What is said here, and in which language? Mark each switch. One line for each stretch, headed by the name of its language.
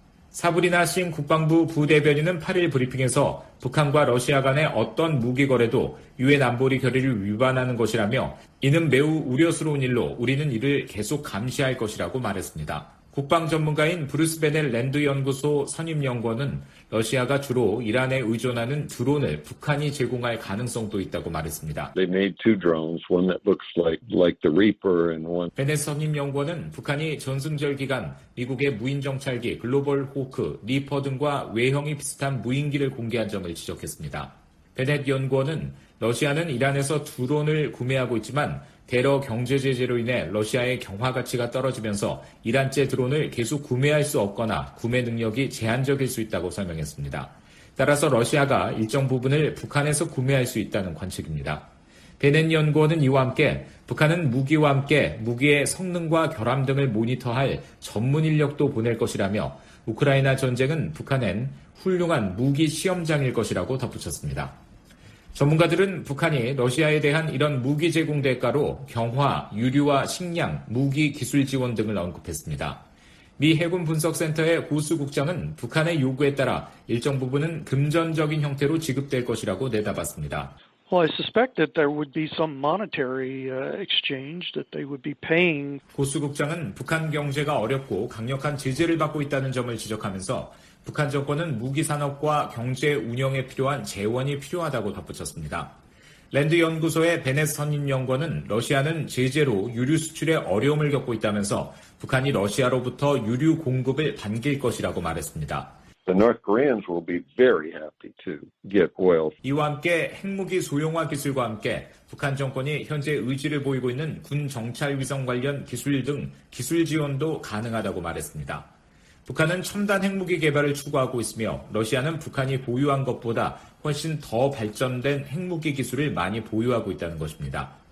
Korean: 사브리나 싱 국방부 부대변인은 8일 브리핑에서 북한과 러시아 간의 어떤 무기 거래도 유엔 안보리 결의를 위반하는 것이라며 이는 매우 우려스러운 일로 우리는 이를 계속 감시할 것이라고 말했습니다. 국방 전문가인 브루스 베넬 랜드 연구소 선임 연구원은 러시아가 주로 이란에 의존하는 드론을 북한이 제공할 가능성도 있다고 말했습니다.
English: They made two drones, one that looks like the Reaper and one.
Korean: 베넬 선임 연구원은 북한이 전승절 기간 미국의 무인 정찰기 글로벌 호크, 리퍼 등과 외형이 비슷한 무인기를 공개한 점을 지적했습니다. 베넷 연구원은 러시아는 이란에서 드론을 구매하고 있지만 대러 경제 제재로 인해 러시아의 경화 가치가 떨어지면서 이란제 드론을 계속 구매할 수 없거나 구매 능력이 제한적일 수 있다고 설명했습니다. 따라서 러시아가 일정 부분을 북한에서 구매할 수 있다는 관측입니다. 베넨 연구원은 이와 함께 북한은 무기와 함께 무기의 성능과 결함 등을 모니터할 전문 인력도 보낼 것이라며 우크라이나 전쟁은 북한엔 훌륭한 무기 시험장일 것이라고 덧붙였습니다. 전문가들은 북한이 러시아에 대한 이런 무기 제공 대가로 경화, 유류와 식량, 무기 기술 지원 등을 언급했습니다. 미 해군 분석센터의 고스 국장은 북한의 요구에 따라 일정 부분은 금전적인 형태로 지급될 것이라고 내다봤습니다.
English: Well, I suspect that there would be some monetary exchange that they would be paying.
Korean: 고스 국장은 북한 경제가 어렵고 강력한 제재를 받고 있다는 점을 지적하면서 북한 정권은 무기 산업과 경제 운영에 필요한 재원이 필요하다고 덧붙였습니다. 랜드 연구소의 베넷 선임 연구원은 러시아는 제재로 유류 수출에 어려움을 겪고 있다면서 북한이 러시아로부터 유류 공급을 반길 것이라고 말했습니다.
English: The North Koreans will be very happy to get oil.
Korean: 이와 함께 핵무기 소형화 기술과 함께 북한 정권이 현재 의지를 보이고 있는 군 정찰 위성 관련 기술 등 기술 지원도 가능하다고 말했습니다. 북한은 첨단 핵무기 개발을 추구하고 있으며 러시아는 북한이 보유한 것보다 훨씬 더 발전된 핵무기 기술을 많이 보유하고 있다는 것입니다.